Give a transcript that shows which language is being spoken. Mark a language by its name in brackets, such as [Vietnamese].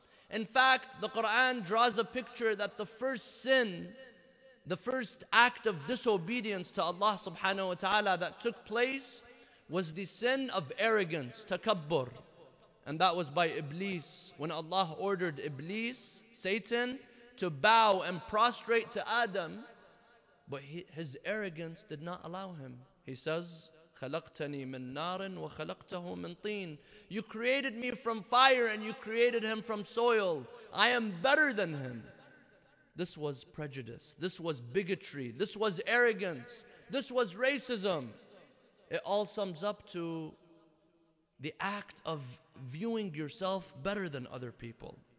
[English] In fact, the Quran draws a picture that the first sin, the first act of disobedience to Allah subhanahu wa ta'ala that took place was the sin of arrogance, takabbur. And that was by Iblis, when Allah ordered Iblis, Satan, to bow and prostrate to Adam. But his arrogance did not allow him. He says, [Arabic] خَلَقْتَنِي مِن نَارٍ وَخَلَقْتَهُ مِن طِينٍ. [English] You created me from fire and you created him from soil. I am better than him. This was prejudice. This was bigotry. This was arrogance. This was racism. It all sums up to the act of viewing yourself better than other people.